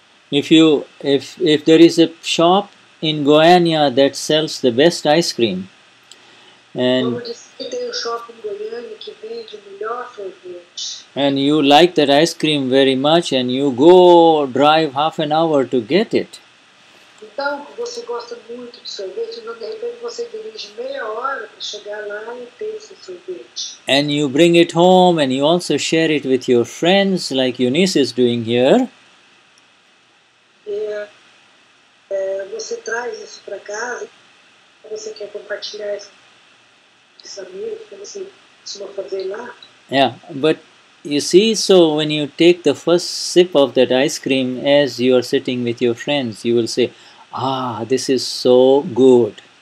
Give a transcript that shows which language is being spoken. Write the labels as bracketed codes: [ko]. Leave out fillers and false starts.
[en] If there is a shop in Goiânia that sells the best ice cream, and you like that ice cream very much and you go drive half an hour to get it. [pt] Então, você gosta muito de sorvete, então, de repente, você dirige meia hora para chegar lá e ter esse sorvete. [en] And you bring it home and you also share it with your friends, like Eunice is doing here. [pt] E você traz isso para casa, você quer compartilhar isso amigo, como você costuma fazer lá. [en] Yeah, but you see, so when you take the first sip of that ice cream as you are sitting with your friends, you will say, ah, this is so good.